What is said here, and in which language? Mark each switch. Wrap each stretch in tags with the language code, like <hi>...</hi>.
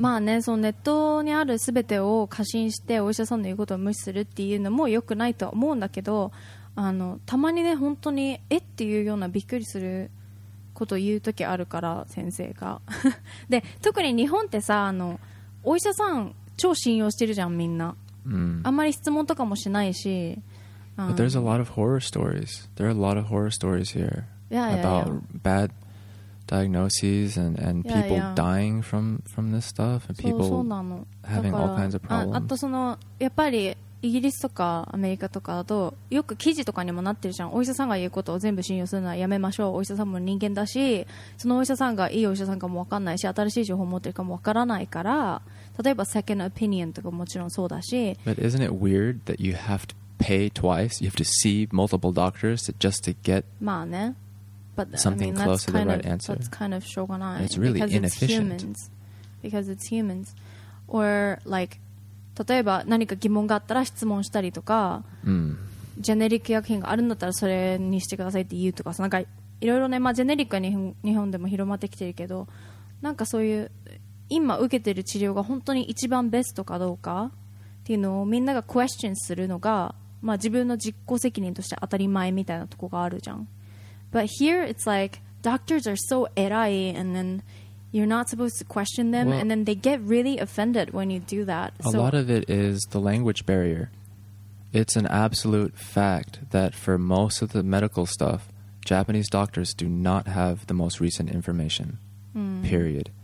<ja>まあね、そのネットにある全てを過信してお医者さんの言うことを無視するっていうのも良くないと思うんだけど、たまにね、本当にっていうようなびっくりすること言うときあるから先生がで特に日本ってさお医者さん超信用してるじゃんみんな、 mm. あんまり質問とかもしないし、</ja> <en>But there's a lot of horror stories. There are a lot of horror stories here yeah, yeah, about yeah. bad diagnoses and people yeah, yeah. dying from this stuff and people having all kinds of problems.</en> <ja>あとそのやっぱりイギリスとかアメリカとかだとよく記事とかにもなってるじゃん。お医者さんが言うことを全部信用するのはやめましょう。お医者さんも人間だし、そのお医者さんがいいお医者さんかも分かんないし、新しい情報を持ってるかも分からないから、例えばセカンドオピニオンとかもちろんそうだし。</ja> <en>But isn't it weird that you have to pay twice? You have to see multiple doctors just to get</en> <ja>まあね、</ja> <en>But, something I mean, close to the right answer. That's kind of</en> <ja>しょうがない。</ja> <en>It's really because inefficient. It's because it's humans. Or like</en> <ja>例えば何か疑問があったら質問したりとか、 mm. ジェネリック薬品があるんだったらそれにしてくださいって言うとかさ、なんかいろいろね、まあ、ジェネリックは日本でも広まってきてるけど、なんかそういう今受けてる治療が本当に一番ベストかどうかっていうのをみんながクエスチョンするのが、まあ、自分の実行責任として当たり前みたいなとこがあるじゃん。</ja> <en>But here it's like doctors are so</en> <ja>偉い</ja> <en>and thenYou're not supposed to question them, well, and then they get really offended when you do that. A lot of it is the language barrier. It's an absolute fact that for most of the medical stuff, Japanese doctors do not have the most recent information, period.</en>